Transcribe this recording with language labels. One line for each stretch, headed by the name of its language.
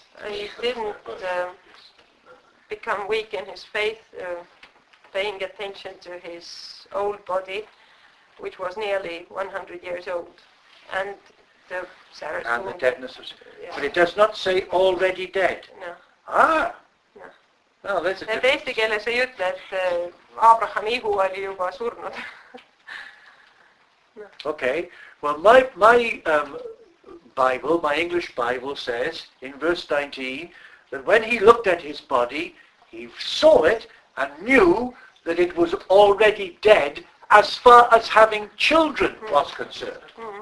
English: He didn't become weak in his faith, paying attention to his old body, which was nearly 100 years old, and the Sarah's and wound. The deadness of... Yeah. But it does not say already dead. No. No,
Estonian: et eesti keeles ei ütle, et Abraham ihu oli juba surnud. No.
English: Okay, well my English Bible says in verse 19 that when he looked at his body, he saw it and knew that it was already dead as far as having children was concerned.